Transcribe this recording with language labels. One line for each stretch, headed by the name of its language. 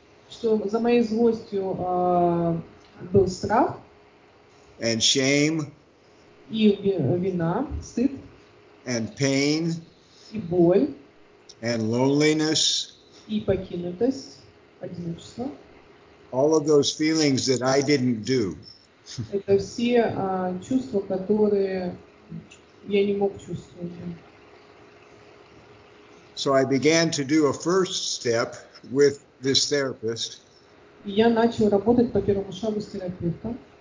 Russian: Что за моей злостью был страх.
English: And shame.
Russian: И вина, стыд.
English: And pain.
Russian: И боль.
English: And loneliness.
Russian: И покинутость, одиночество.
English: All of those feelings that I didn't do.
Russian: Это все чувства, которые я не мог чувствовать.
English: So I began to do a first step with this therapist.
Russian: Я начал работать по первому шагу с терапевтом.